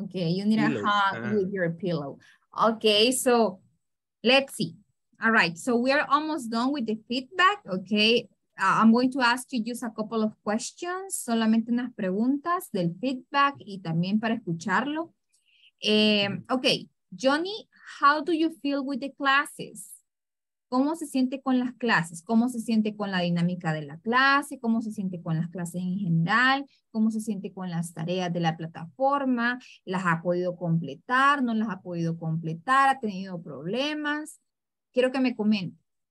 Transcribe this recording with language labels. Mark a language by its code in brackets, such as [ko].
[en] Okay, you need pillow. A hug with your pillow. Okay, so let's see. All right, so we are almost done with the feedback. Okay, I'm going to ask you just a couple of questions. Solamente unas preguntas del feedback y también para escucharlo. Okay, Johnny, how do you feel with the classes? [es] ¿Cómo se siente con las clases? ¿Cómo se siente con la dinámica de la clase? ¿Cómo se siente con las clases en general? ¿Cómo se siente con las tareas de la plataforma? ¿Las ha podido completar? ¿No las ha podido completar? ¿Ha tenido problemas? Quiero que me comente.